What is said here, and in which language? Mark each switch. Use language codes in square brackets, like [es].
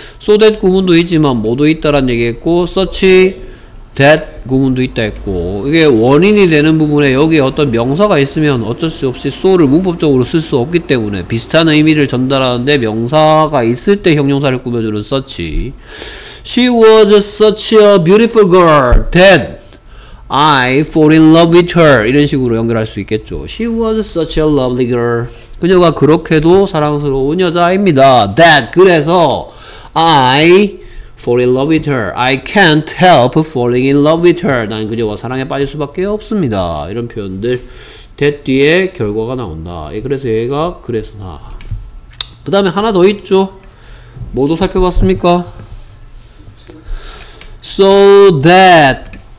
[ko] so that 구문도 있지만 뭐도 있다란 얘기 했고 such that 구문도 있다 했고 이게 원인이 되는 부분에 여기에 어떤 명사가 있으면 어쩔 수 없이 so를 문법적으로 쓸 수 없기 때문에 비슷한 의미를 전달하는데 명사가 있을 때 형용사를 꾸며주는 such. [en] She was such a beautiful girl that I fall in love with her. [ko] 이런 식으로 연결할 수 있겠죠. [en] She was such a lovely girl. [ko] 그녀가 그렇게도 사랑스러운 여자입니다. [en] That. [ko] 그래서 [en] I fall in love with her. I can't help falling in love with her. [ko] 난 그녀와 사랑에 빠질 수밖에 없습니다. 이런 표현들. That 뒤에 결과가 나온다. 그래서 얘가 그래서 나. 그 다음에 하나 더 있죠. 뭐도 살펴봤습니까? So that.